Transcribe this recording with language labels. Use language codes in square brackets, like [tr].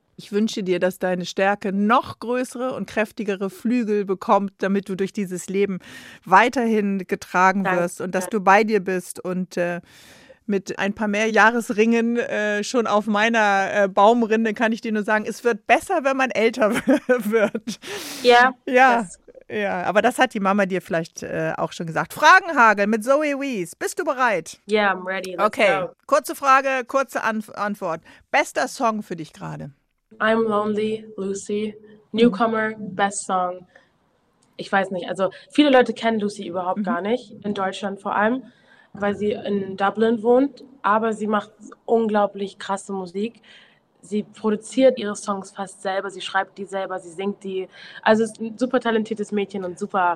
[de] Ich wünsche dir, dass deine Stärke noch größere und kräftigere Flügel bekommt, damit du durch dieses Leben weiterhin getragen wirst und dass du bei dir bist und mit ein paar mehr Jahresringen schon auf meiner Baumrinde kann ich dir nur sagen, es wird besser, wenn man älter wird. Ja. Ja. Ja, aber das hat die Mama dir vielleicht auch schon gesagt. Fragenhagel mit Zoe Wees. Bist du bereit? Ja, [en] yeah, I'm ready. Let's okay. Go. [de] Kurze Frage, kurze Antwort. Bester Song für dich gerade? [en] I'm Lonely, Lucy, Newcomer, best song. [de] Ich weiß nicht, also viele Leute kennen Lucy überhaupt gar nicht, in Deutschland vor allem, weil sie in Dublin wohnt, aber sie macht unglaublich krasse Musik. Sie produziert ihre Songs fast selber, sie schreibt die selber, sie singt die. Also ist ein super talentiertes Mädchen und super.